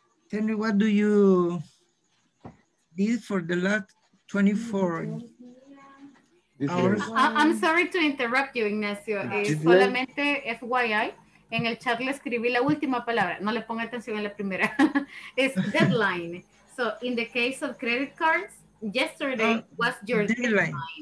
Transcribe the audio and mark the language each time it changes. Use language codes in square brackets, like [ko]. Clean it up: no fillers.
[en] Tell me, what do you did for the last 24 hours? I'm sorry to interrupt you, Ignacio. [es] Solamente FYI, en el chat le escribí la última palabra. No le ponga atención en la primera. [en] It's deadline. So in the case of credit cards, yesterday was your deadline.